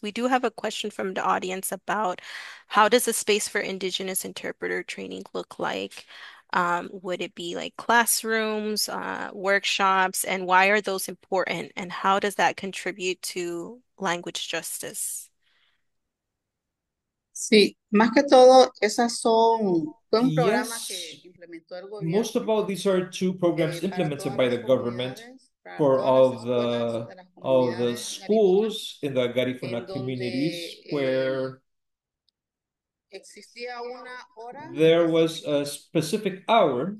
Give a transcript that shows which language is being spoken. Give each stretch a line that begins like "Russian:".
English: We do have a question from the audience about how does a space for Indigenous interpreter training look like? Would it be like classrooms, workshops, and why are those important? And how does that contribute to language justice?
Spanish: Sí, más que todo, esas son un programa
English: Yes,
Spanish: que implementó el gobierno.
English: Most of all, these are two programs implemented by the government for all the schools in the Garifuna communities, where
Spanish: existía una hora
English: there was a specific hour